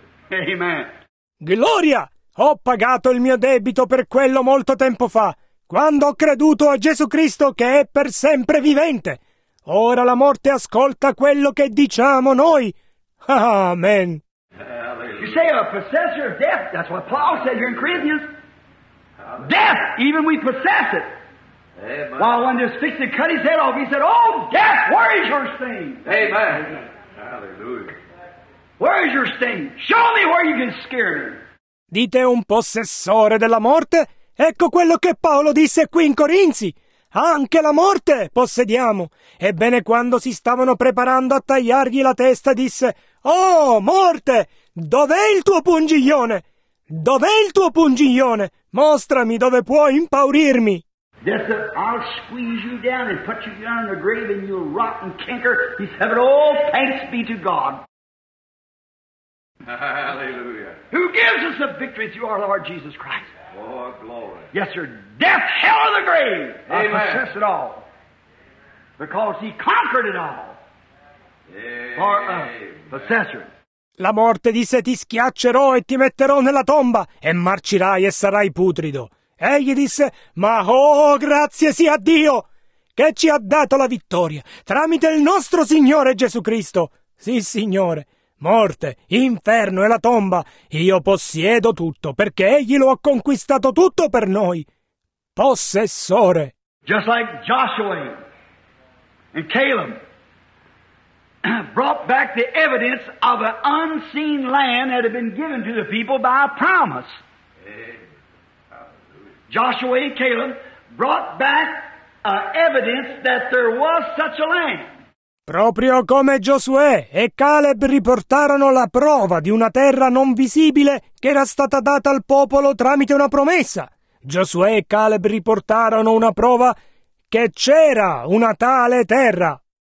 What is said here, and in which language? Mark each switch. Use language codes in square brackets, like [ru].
[it] Amen. Gloria! Ho pagato il mio debito per quello molto tempo fa, quando ho creduto a Gesù Cristo che è per sempre vivente. Ora la morte ascolta quello che diciamo noi. Amen. [en] You say a possessor of death, that's what Paul said here in Corinthians. Death, even we possess it. Amen. While one just fixed it, cut his head off, he said, oh, death, where is your sting? Amen. Hallelujah. Where is your sting? Show me where you can scare me. [it] Dite un possessore della morte? Ecco quello che Paolo disse qui in Corinzi. Anche la morte possediamo. Ebbene, quando si stavano preparando a tagliargli la testa, disse, oh, morte, dov'è il tuo pungiglione? Dov'è il tuo pungiglione? Mostrami dove puoi impaurirmi. [en] Death, I'll squeeze you down and put you down in the grave and you'll rot and canker. He said, oh, thanks be to God. Hallelujah. Who gives us the victory? It's you, our Lord Jesus Christ. Oh, glory. Yes, sir. Death, hell, or the grave. Amen. I possess it all. Because he conquered it all. For a possessor. [it] La morte disse, ti schiaccerò e ti metterò nella tomba, e marcirai e sarai putrido. Egli disse, ma oh, grazie sia a Dio, che ci ha dato la vittoria, tramite il nostro Signore Gesù Cristo. Sì, Signore. Morte, inferno e la tomba, io possiedo tutto, perché egli lo ha conquistato tutto per noi. Possessore. [en] Just like Joshua and Caleb brought back the evidence of an unseen land that had been given to the people by a promise. Joshua and Caleb brought back evidence that there was such a land. [it] Proprio come Giosuè e Caleb riportarono la prova di una terra non visibile che era stata data al popolo tramite una promessa. Giosuè e Caleb riportarono una prova che c'era una tale terra.